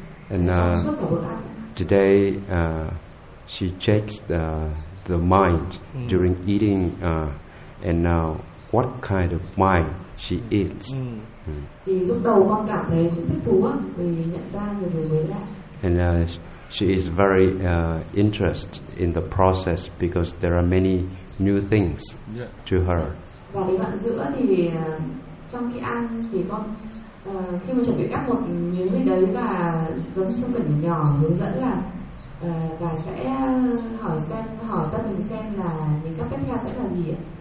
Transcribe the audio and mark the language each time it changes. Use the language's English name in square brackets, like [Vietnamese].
[English] And today she checks the mind during eating and now what kind of mind she eats. [Vietnamese] Thì lúc đầu con cảm thấy cũng thích thú á vì nhận ra nhiều điều mới lạ. [English] And she is very interested in the process because there are many new things to her. [Vietnamese] Và cái đoạn giữa thì trong khi ăn thì con khi mà chuẩn bị cắt một miếng gì đấy là giống như một cái nhỏ hướng dẫn là và sẽ hỏi xem hỏi tâm mình xem là những cấp tiếp theo sẽ là gì ạ.